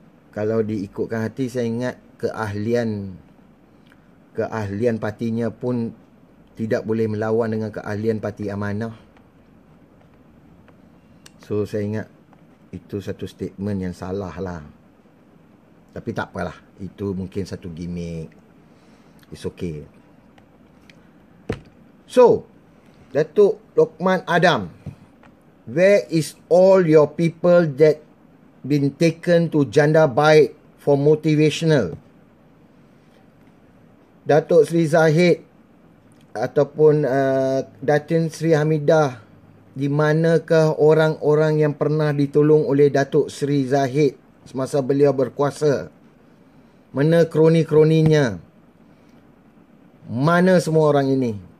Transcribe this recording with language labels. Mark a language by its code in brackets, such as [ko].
[ms] Kalau diikutkan hati, saya ingat keahlian partinya pun tidak boleh melawan dengan keahlian parti Amanah. So saya ingat itu satu statement yang salah lah. Tapi tak apalah, itu mungkin satu gimmick. [en] It's okay. So Datuk Lokman Adam, where is all your people that been taken to Janda Baik for motivational? [ms] Datuk Sri Zahid ataupun Datin Sri Hamidah, di manakah orang-orang yang pernah ditolong oleh Datuk Sri Zahid semasa beliau berkuasa? Mana kroni-kroninya? Mana semua orang ini?